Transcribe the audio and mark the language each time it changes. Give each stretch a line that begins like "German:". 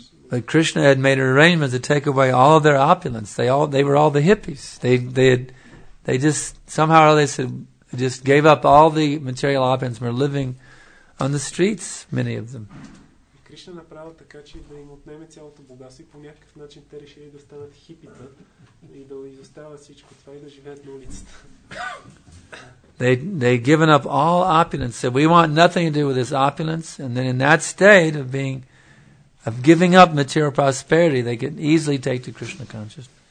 English: But Krishna had made an arrangement to take away all of their opulence. They were all the hippies. They just gave up all the material opulence and were living on the streets, many of them.
Bulgarian: Krishna направил така, че да им отнеме цялото богатство и по някакъв начин те решили да станат хипита и да изоставят всичко това и да живеят на улицата.
English: They given up all opulence, said, we want nothing to do with this opulence. And then in that state of being, of giving up material prosperity, they can easily take to Krishna consciousness.